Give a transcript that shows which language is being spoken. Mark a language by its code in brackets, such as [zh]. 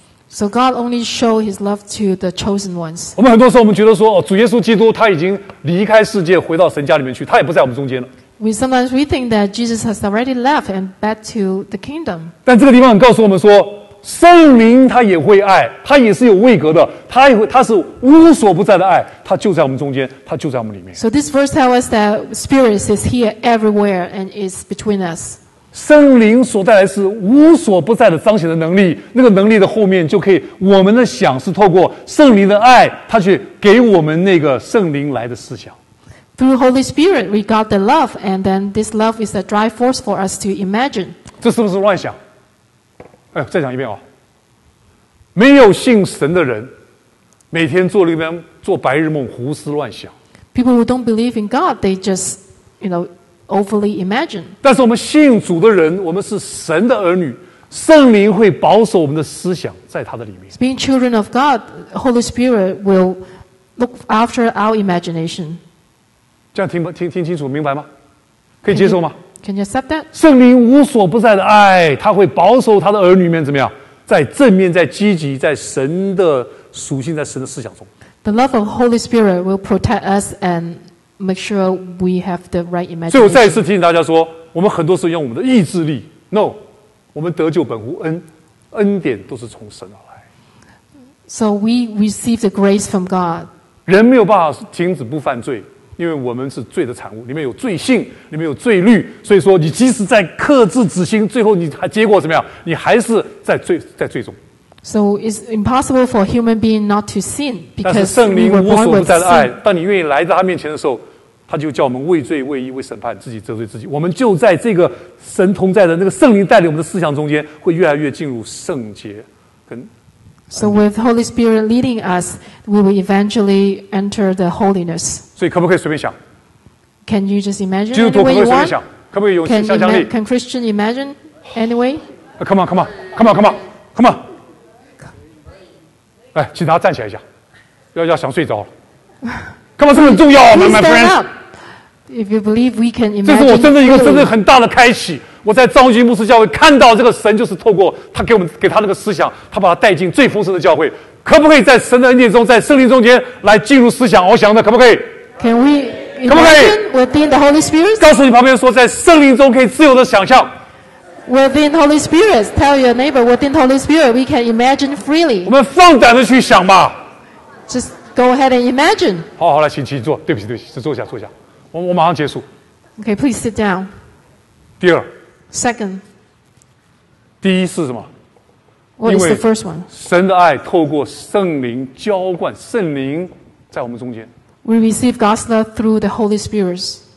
[en] So God only show his love to the chosen ones。 [zh] 我们很多时候我们觉得说，哦，主耶稣基督他已经离开世界，回到神家里面去，他也不在我们中间了。 [en] We sometimes we think that Jesus has already left and back to the kingdom。 [zh] 但这个地方告诉我们说，圣灵他也会爱，他也是有位格的，他是无所不在的爱，他就在我们中间，他就在我们里面。 [en] So this verse tells us that Spirit is here everywhere and is between us. [zh] 圣灵所带来是无所不在的彰显的能力，那个能力的后面就可以，我们的想是透过圣灵的爱，他去给我们那个圣灵来的思想。 [en] Through Holy Spirit, we got the love, and then this love is a drive force for us to imagine. [zh] 这是不是乱想？哎，再讲一遍哦。没有信神的人，每天做那边做白日梦，胡思乱想。 [en] People who don't believe in God, they just, you know, overly imagine. [zh] 但是我们信主的人，我们是神的儿女，圣灵会保守我们的思想在他的里面。 [en] Being children of God, Holy Spirit will look after our imagination. [zh] 这样听清楚，明白吗？可以接受吗？ [en] Can you accept that? [zh] 圣灵无所不在的爱，他会保守他的儿女们怎么样？在正面，在积极，在神的属性，在神的思想中。 [en] The love of Holy Spirit will protect us and make sure we have the right imagination. [zh] 所以我再一次提醒大家说，我们很多时候用我们的意志力。No, 我们得救本乎恩，恩典都是从神而来。 [en] So we receive the grace from God. [zh] 人没有办法停止不犯罪，因为我们是罪的产物，里面有罪性，里面有罪律，所以说你即使在克制自心，最后你还结果怎么样？你还是在罪中。 [en] So it's impossible for human being not to sin because [zh] 但是圣灵无所不在的爱，当你愿意来到他面前的时候，他就叫我们畏罪、畏义、畏审判，自己责罪自己。我们就在这个神同在的那个圣灵带领我们的思想中间，会越来越进入圣洁跟。 [en] So with Holy Spirit leading us, we will eventually enter the holiness. [zh] 所以可不可以随便想？ [en] Can you just imagine? [zh] 基督徒可不可以随便想？可不可以有想象力？ [en] Can Christian imagine anyway? Come on. [zh] 来，请大家站起来一下，要想睡着了。 [en] Come on, [zh] 这很重要啊 [en] ，my friend. If you believe we can imagine, [zh] 这是我真的一个真的很大的开启。我在张军牧师教会看到这个神，就是透过他给我们给他那个思想，他把他带进最丰盛的教会。可不可以在神的恩典中，在圣灵中间来进入思想翱翔的？可不可以 [en] ？Can we? [zh] 可不可以 [en] ？Within the Holy Spirit， [zh] 告诉你旁边说，在圣灵中可以自由的想象。 [en] Within Holy Spirit, tell your neighbor. Within Holy Spirit, we can imagine freely. [zh] 我们放胆的去想吧。 [en] Just go ahead and imagine. [zh] 好了，请坐。对不起，坐下。我马上结束。 [en] Okay, please sit down. [zh] 第二。 [en] Second. [zh] 第一是什么？ [en] What is the first one? [zh] 神的爱透过圣灵浇灌，圣灵在我们中间。 [en] We receive God's love through the Holy Spirit.